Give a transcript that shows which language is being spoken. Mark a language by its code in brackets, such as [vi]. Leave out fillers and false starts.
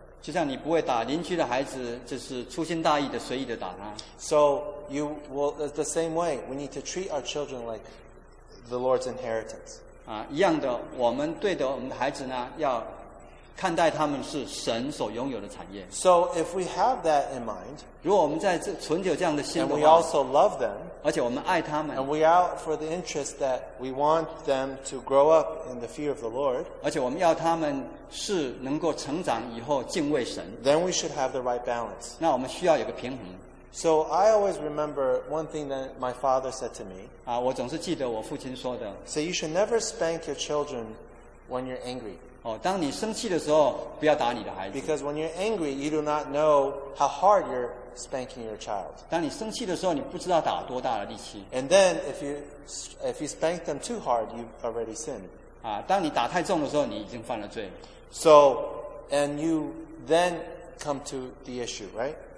[zh] 就像你不会打邻居的孩子，就是粗心大意的、随意的打他。 [en] So you will the same way. We need to treat our children like the Lord's inheritance. [zh] 一样的，我们对的我们的孩子呢，要看待他们是神所拥有的产业。 [en] So if we have that in mind, [zh] 如果我们在这存有这样的心的话 [en] and we also love them, [zh] 而且我们爱他们 [en] and we out for the interest that we want them to grow up in the fear of the Lord, [zh] 而且我们要他们是能够成长以后敬畏神 [en] then we should have the right balance. [zh] 那我们需要有个平衡。 [en] So I always remember one thing that my father said to me. [zh] 啊，我总是记得我父亲说的。 [en] So you should never spank your children when you're angry. [zh] 哦、当你生气的时候不要打你的孩子 [en] because when you're angry you do not know how hard you're spanking your child [zh] 当你生气的时候你不知道打多大的力气 [en] and then if you spank them too hard you've already sinned、 [zh] 啊、当你打太重的时候你已经犯了罪 [en] so and you then come to the issue right